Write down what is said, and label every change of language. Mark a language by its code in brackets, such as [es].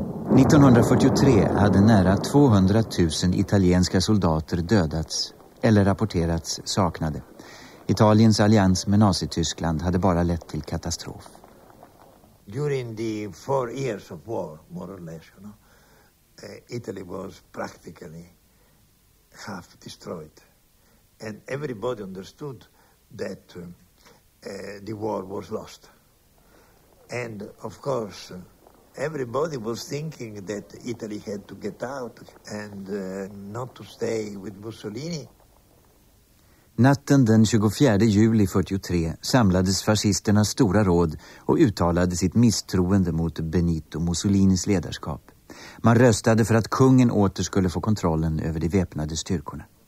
[sv] ...1943 hade nära 200 000 italienska soldater dödats eller rapporterats saknade. Italiens allians med Nazityskland hade bara lett till katastrof. [en] During the 4 years of war, more or less, no? Italy was practically half destroyed. And everybody understood that the war was lost. And of course, everybody was thinking that Italy had to get out and not to stay with Mussolini. [sv] Natten den 24 juli 43 samlades fascisternas stora råd och uttalade sitt misstroende mot Benito Mussolinis ledarskap. Man röstade för att kungen åter skulle få kontrollen över de väpnade styrkorna.